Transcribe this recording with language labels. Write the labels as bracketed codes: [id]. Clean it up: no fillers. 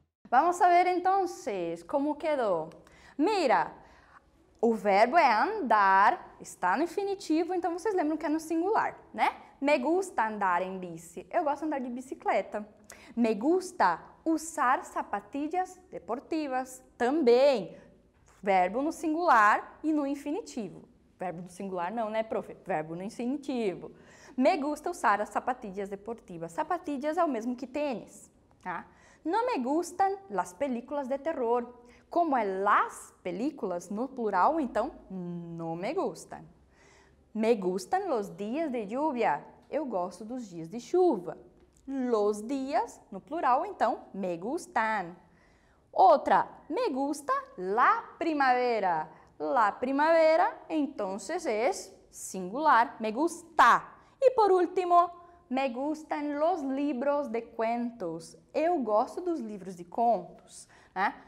[pt] Vamos ver entonces como quedou. Mira, o verbo é andar, está no infinitivo, então vocês lembram que é no singular, né? [es] Me gusta andar en bici. [pt] Eu gosto de andar de bicicleta. [es] Me gusta usar sapatillas deportivas. [pt] Também, verbo no singular e no infinitivo. Verbo no singular não, né, prof? Verbo no infinitivo. [es] Me gusta usar as sapatillas deportivas. [pt] Sapatillas é o mesmo que tênis, tá? [es] Não me gustan las películas de terror. [pt] Como é las películas no plural, então, não me gustan. [es] Me gustan los días de lluvia. [pt] Eu gosto dos dias de chuva. Los días, no plural, então, me gustan. Outra, [es] me gusta la primavera. La primavera, entonces, es singular. Me gusta. E por último, me gustan los libros de cuentos. [pt] Eu gosto dos livros de contos, né?